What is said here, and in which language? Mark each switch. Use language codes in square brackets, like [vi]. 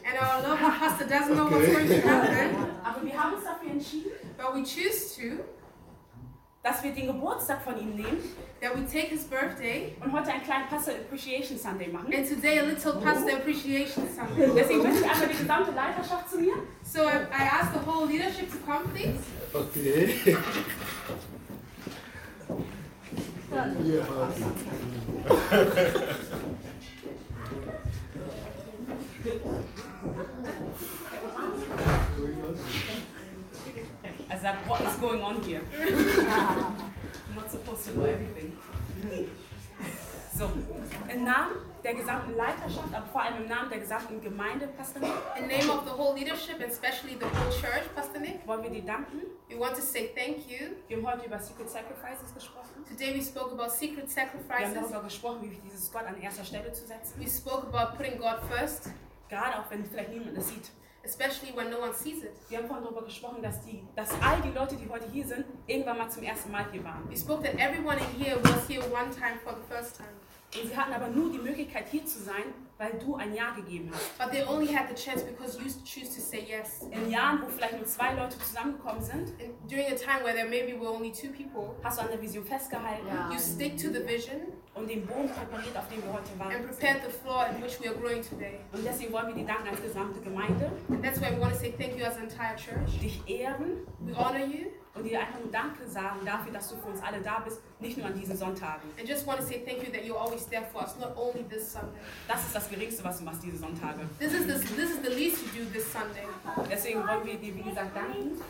[en] And our lovely pastor doesn't know what's going to happen. [de] Aber wir haben uns dafür entschieden. [en] But we choose to, [de] dass wir den Geburtstag von ihm nehmen. [en] That we take his birthday. [de] Und heute einen kleinen Pastor Appreciation Sunday machen. [en] And today a little pastor Appreciation Sunday. [de] Deswegen möchte ich einfach die gesamte Leiterschaft zu mir. [en] So I ask the whole leadership to come, please. Okay. Yeah. I said, what is going on here? I'm not supposed to know everything. [de] So, im Namen der gesamten Leiterschaft, aber vor allem im Namen der gesamten Gemeinde, Pastor Nick. [en] In name of the whole leadership, especially the whole church, Pastor Nick. [de] Wollen wir dir danken? [en] We want to say thank you. [de] Wir haben heute über Secret Sacrifices gesprochen. [en] Today we spoke about secret sacrifices. [de] Wir haben darüber gesprochen, wie wir dieses Gott an erster Stelle zu setzen. [en] We spoke about putting God first. [de] Gerade auch wenn vielleicht niemand es sieht. [en] Especially when no one sees it. [de] Wir haben vorhin darüber gesprochen, dass all die Leute, die heute hier sind, irgendwann mal zum ersten Mal hier waren. [en] We spoke that everyone in here was here one time for the first time. [de] Und sie hatten aber nur die Möglichkeit hier zu sein, weil du ein Ja gegeben hast. [en] But they only had the chance because you choose to say yes. [de] In Jahren, wo vielleicht nur zwei Leute zusammengekommen sind, [en] during a time where there maybe were only two people, [de] hast du an der Vision festgehalten. [en] Yeah. You stick to the vision. [de] Und den Boden präpariert, auf dem wir heute waren. [en] And prepared the floor in which we are growing today. [de] Und deswegen wollen wir dir danken als gesamte Gemeinde. [en] And that's why we want to say thank you as an entire church. [de] Dich ehren. [en] We honor you. [de] Und dir einfach nur Danke sagen dafür, dass du für uns alle da bist, nicht nur an diesen Sonntagen. [en] And just want to say thank you that you're always there for us, not only this Sunday. [de] Das ist das Geringste, was du machst diese Sonntage. [en] This is the least you do this Sunday. [de] Deswegen wollen wir dir, wie gesagt, danken.